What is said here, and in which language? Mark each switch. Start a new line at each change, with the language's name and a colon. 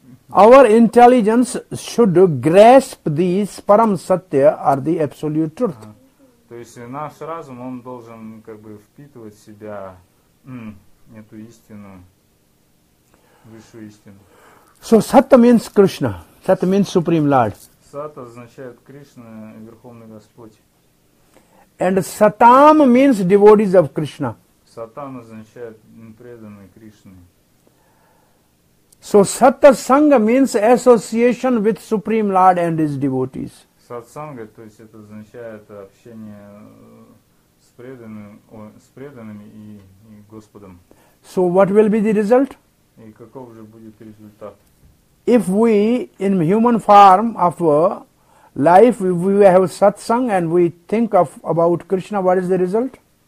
English: Our intelligence should grasp the param satya or the absolute truth.
Russian: То есть наш разум, он должен как бы впитывать в себя эту истину, высшую истину.
English: So satya means Krishna. Satya means Supreme Lord.
Russian: Satya означает Кришна, Верховный Господь.
English: And satam means devotees of Krishna.
Russian: Satam означает преданный Кришне.
English: So satsanga means association with Supreme Lord and His devotees.
Russian: Satsanga, то есть это означает общение с преданными и Господом.
English: So what will be the result?
Russian: И каков же будет результат?
English: If we in human form of life, we have satsang and we think of about Krishna, what is the result?